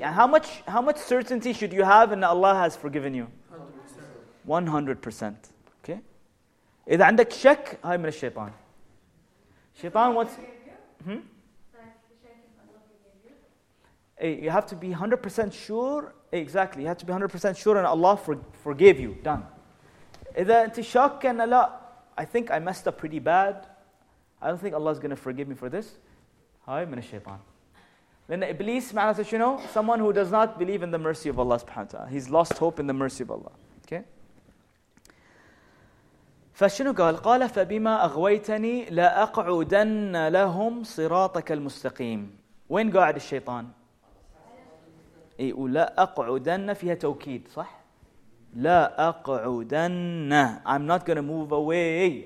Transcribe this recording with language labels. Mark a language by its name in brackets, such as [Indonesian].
[Arabic] يعني [English] how much certainty should you have in Allah has forgiven you? 100%. Okay. [Arabic] إذا عندك شك هاي من الشيطان. شيطان [English] what? You have to be 100% sure. Exactly. You have to be 100% sure and Allah forgave you. Done. [Arabic] إذا أنت شاك أن لا, [English] I think I messed up pretty bad, I don't think Allah is going to forgive me for this, [Arabic] هاي من الشيطان. لأن إبليس معناته شنو? [English] Someone who does not believe in the mercy of Allah [Arabic] سبحانه وتعالى. [English] He's lost hope in the mercy of Allah. Okay? [Arabic] فشنو قال? قال فبما أغويتني لأقعدن لهم صراطك المستقيم. وين قاعد الشيطان? لا أقعدن فيها توكيد صح? لا أقعدن. [English] I'm not gonna move away.